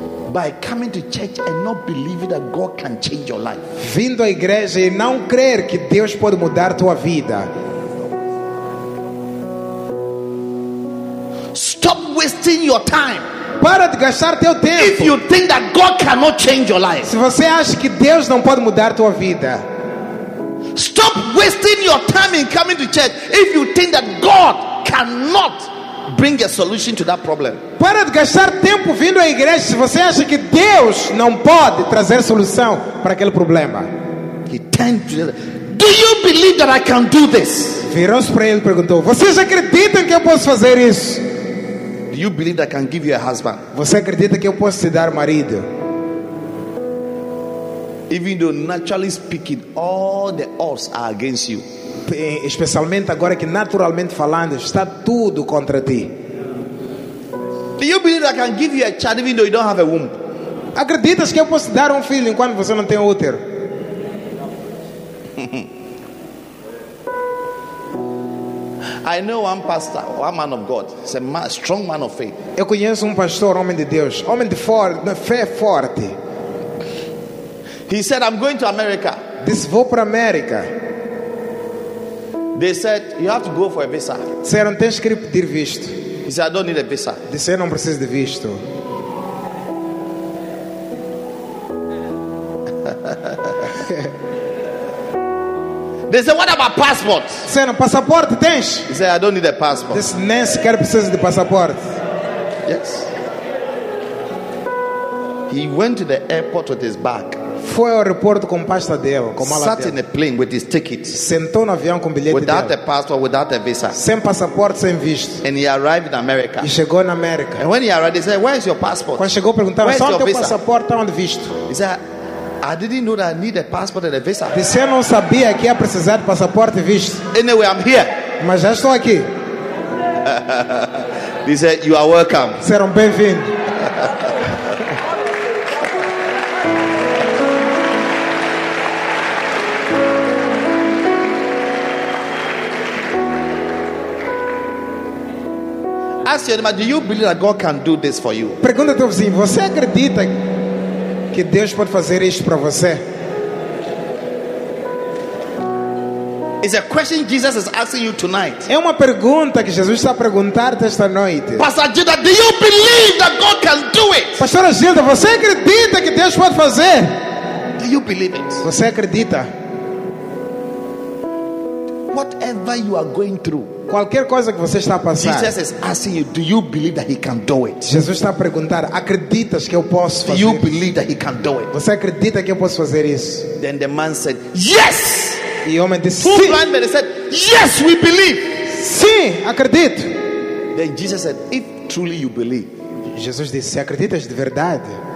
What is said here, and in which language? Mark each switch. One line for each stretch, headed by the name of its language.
English: By coming to church and not believing that God can change your life.
Portuguese: Vindo à igreja e não crer que Deus pode mudar tua vida.
English: Stop wasting your time.
Portuguese: Para de gastar teu tempo.
English: If you think that God cannot change your life.
Portuguese: Se você acha que Deus não pode mudar tua vida.
English: Stop wasting your time in coming to church if you think that God cannot bring a solution to that problem.
Portuguese: Para de gastar tempo vindo à igreja se você acha que Deus não pode trazer solução para aquele problema.
English: He turned to them. Do you believe that I can do this?
Portuguese: Virou-se para ele e perguntou: vocês acreditam que eu posso fazer isso?
English: Do you believe that I can give you a husband?
Portuguese: Você acredita que eu posso te dar marido?
English: Even though naturally speaking, all the odds are against you.
Portuguese: Especialmente agora que naturalmente falando está tudo contra ti.
English: Do you believe I can give you a child even though you don't have a womb?
Portuguese: Acreditas que eu posso dar filho enquanto você não tem útero?
English: I know one pastor, one man of God. He's a man, strong man of faith.
Portuguese: Eu conheço pastor, homem de Deus, homem de fé forte.
English: He said, "I'm going to America."
Portuguese: Diz, vou para América.
English: They said, "You have to go for a visa."
Portuguese: Disseram, tens que ir pedir visto.
English: He said, "I don't need a visa."
Portuguese: Disse, não preciso de visto.
English: They said, "What about passport?"
Portuguese: Disseram, passaporte tens?
English: He said, "I don't need a passport."
Portuguese: Disse, nem sequer preciso de passaporte.
English: Yes. He went to the airport with his bag.
Portuguese: Foi ao aeroporto com pasta dele, com mala dele.
English: Sat in a plane with his ticket.
Portuguese: Sentou no avião com bilhete
English: without
Portuguese: dele.
English: A passport, without a visa.
Portuguese: Sem passaporte, sem visto.
English: And he arrived in America.
Portuguese: E chegou na América.
English: And when he arrived, they said, "Where is your passport?"
Portuguese: Quando chegou, perguntaram, "Só teu passaporte, onde visto?"
English: He said, "I didn't know that I need a passport and a visa."
Portuguese: Disse, não sabia que ia precisar de passaporte e visto.
English: Anyway, I'm here.
Portuguese: Mas já estou aqui.
English: He said, "You are welcome."
Portuguese: Disseram, bem-vindo.
English: Do you believe that God can do this for you?
Portuguese: Pergunta teu vizinho, você acredita que Deus pode fazer isto para você?
English: It's a question Jesus is asking you tonight.
Portuguese: É uma pergunta que Jesus está a perguntar esta noite.
English: Pastor Gilda, do you believe that God can do it?
Portuguese: Pastor Gilda, você acredita que Deus pode fazer?
English: Do you believe it?
Portuguese: Você acredita?
English: Whatever you are going through.
Portuguese: Qualquer coisa que você está a passar.
English: Jesus is asking you, do you believe that he can do it?
Portuguese: Jesus está a perguntar, acreditas que eu posso fazer?
English: Do you believe that he can do it?
Portuguese: Você acredita que eu posso fazer isso?
English: Then the man said, "Yes!"
Portuguese: E o homem disse, "Sim."
English: Blind man said, "Yes, we believe."
Portuguese: Sim, acredito.
English: Then Jesus said, "If truly you believe."
Portuguese: Jesus disse, se acreditas de verdade.